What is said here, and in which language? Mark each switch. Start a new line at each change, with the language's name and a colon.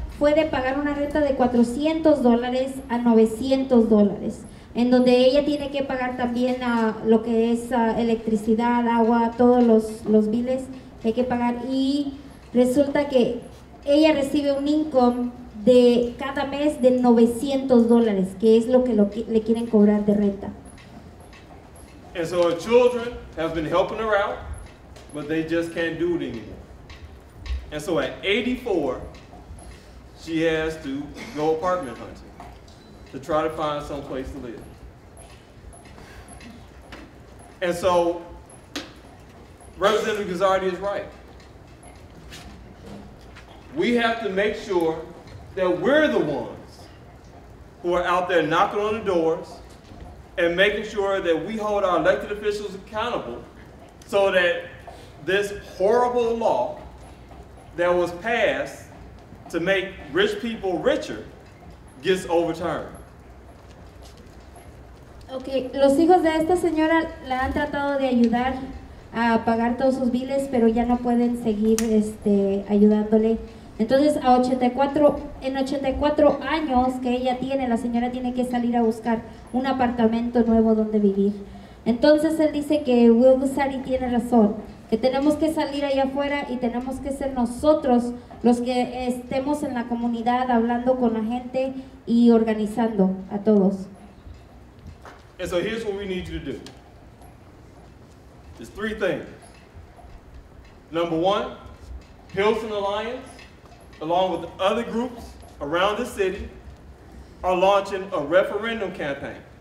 Spanish: fue de pagar una renta de $400 a $900, en donde ella tiene que pagar también lo que es electricidad, agua, todos los biles que hay que pagar. Y resulta que ella recibe un
English: income
Spanish: de cada mes de $900, que es lo que le quieren cobrar de renta.
English: And so her children have been helping her out, but they just can't do it anymore. And so at 84, she has to go apartment hunting to try to find some place to live. And so Representative Guzzardi is right. We have to make sure that we're the ones who are out there knocking on the doors and making sure that we hold our elected officials accountable so that this horrible law that was passed to make rich people richer gets overturned.
Spanish: Okay, los hijos de esta señora la han tratado de ayudar a pagar todos sus biles, pero ya no pueden seguir ayudándole. Entonces, en 84 años que ella tiene, la señora tiene que salir a buscar un apartamento nuevo donde vivir. Entonces, él dice que Will Guzzardi tiene razón, que tenemos que salir allá afuera y tenemos que ser nosotros los que estemos en la comunidad hablando con la gente y organizando a todos.
English: And so here's what we need you to do. There's three things. Number one, Pilsen Alliance, along with other groups around the city, are launching a referendum campaign.